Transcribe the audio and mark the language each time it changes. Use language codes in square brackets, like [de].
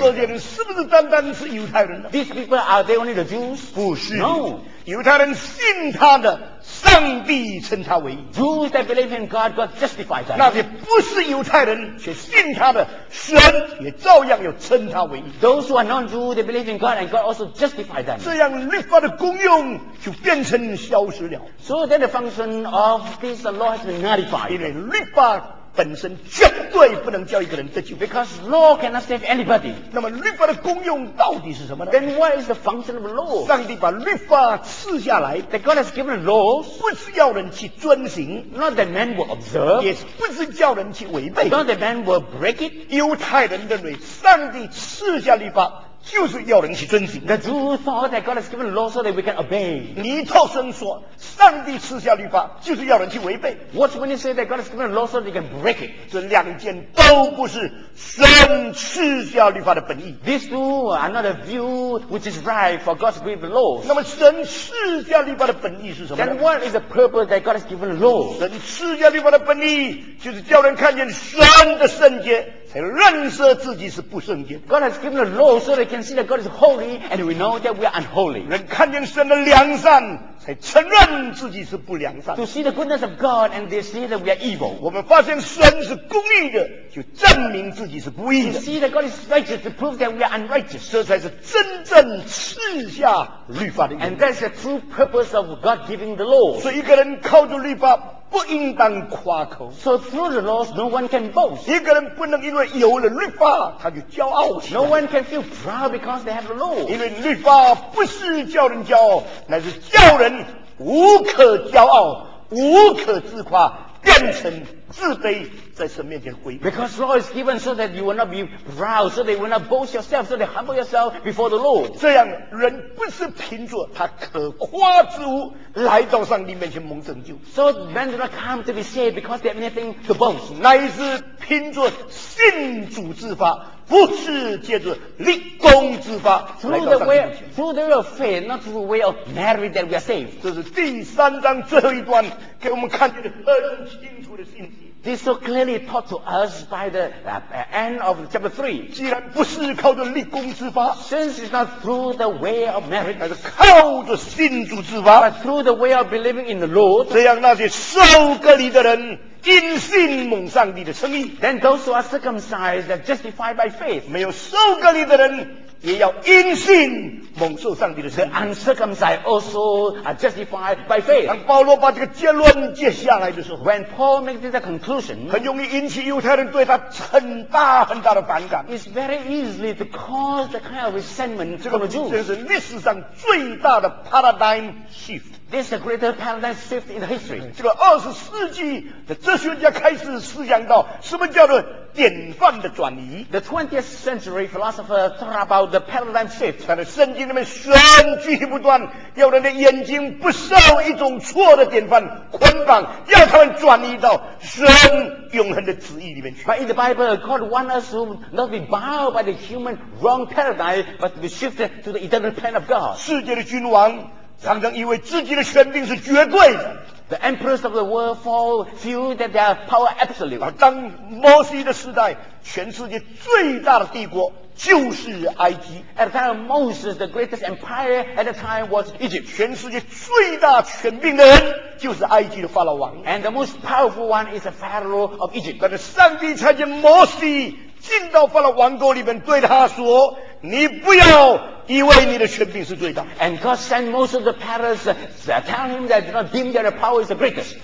[zh] 这些人是不是单单是犹太人呢？ [en] These people are they only the Jews? [zh] 不是。 [en] No. [zh] 犹太人信他的，上帝称他为义。 [en] Jews that believe in God, God justified them. [zh] 那些不是犹太人却信他的，神也照样要称他为义。 [en] Those who are non-Jews, they believe in God, and God also justified them. [zh] 这样律法的功用就变成消失了。 [en] So then the function of this law has been nullified. [zh] 因为律法本身绝对不能叫一个人得救。 [en] Because law cannot save anybody. [zh] 那么律法的功用到底是什么呢？ [en] Then what is the function of law? [zh] 上帝把律法赐下来。 [en] That God has given laws. [zh] 不是要人去遵行。 [en] Not that man will observe. [zh] 也不是叫人去违背。 [en] Not that man will break it. [zh] 犹太人认为上帝赐下律法就是要人去遵行。 [en] The Jews thought that God has given law so that we can obey. [zh] 尼托生说，上帝赐下律法就是要人去违背。 [en] What's when you say that God has given law so that you can break it? [zh] 这两件都不是神赐下律法的本意。 [en] These two are not a view which is right for God's given law. [zh] 那么神赐下律法的本意是什么呢？ [en] Then what is the purpose that God has given law? [zh] 神赐下律法的本意就是叫人看见神的圣洁，才认识自己是不圣洁。 [en] God has given the law so they can see that God is holy, and we know that we are unholy. [zh] 人看见神的良善，才承认自己是不良善。 [en] To see the goodness of God, and they see that we are evil. [zh] 我们发现神是公义的，就证明自己是不义的。 [en] To see that God is righteous, to prove that we are unrighteous. [zh] 这才是真正赐下律法的意义。 [en] And that's the true purpose of God giving the law. [zh] 所以一个人靠着律法不应当夸口。 [en] So through the laws, no one can boast. [zh] 一个人不能因为有了律法，他就骄傲起来。 [en] No one can feel proud because they have the law. [zh] 因为律法不是叫人骄傲，乃是叫人无可骄傲，无可自夸，变成自卑，在神面前回避。 [en] Because law is given so that you will not be proud, so that you will not boast yourself, so that you humble yourself before the law. [zh] 这样人不是凭着他可夸之物来到上帝面前蒙拯救。 [en] So men do not come to be saved because they have anything to boast. [zh] 乃是凭着信主之法，不是借着立功之法来到上帝面前。 [en] Through the way of faith, not through the way of merit that we are saved. [zh] 这是第三章最后一段给我们看见的很清楚。 [en] This is so clearly taught to us by the end of chapter 3. [zh] 既然不是靠着立功之法， [en] since it's not through the way of merit, [zh] 而是靠着信主之法， [en] but through the way of believing in the Lord, [zh] 这样那些受割礼的人因信蒙上帝的称义， [en] then those who are circumcised are justified by faith. [zh] 没有受割礼的人也要因信蒙受上帝的称义。 [en] The uncircumcised also are justified by faith. [zh] 当保罗把这个结论接下来的时候， [en] When Paul makes this conclusion, [zh] 很容易引起犹太人对他很大很大的反感。 [en] It's very easily to cause the kind of resentment from the Jews. [zh] 这是历史上最大的 paradigm shift. [en] This is the greatest paradigm shift in history. [zh] 这个二十世纪的哲学家开始思想到什么叫做典范的转移。 [en] The 20th century philosopher thought about the paradigm shift. [zh] 他的圣经里面神继续不断要人的眼睛不受一种错的典范捆绑，要他们转移到神永恒的旨意里面去。 [en] But in the Bible, God wants us to not be bound by the human wrong paradigm, but to be shifted to the eternal plan of God. [zh] 世界的君王常常以为自己的权柄是绝对的。 [en] The emperors of the world fall, feel that their power absolute. [zh] 当摩西的时代，全世界最大的帝国就是埃及。 [en] At the time of Moses, the greatest empire at the time was Egypt. [zh] 全世界最大权柄的人就是埃及的法老王。 [en] And the most powerful one is the pharaoh of Egypt. [zh] 但是上帝差遣摩西进到法老王国里面，对他说：“你不要。” 以为你的权柄是最大。 [en] And God sent most of the parents telling him that do not deem their power is the greatest.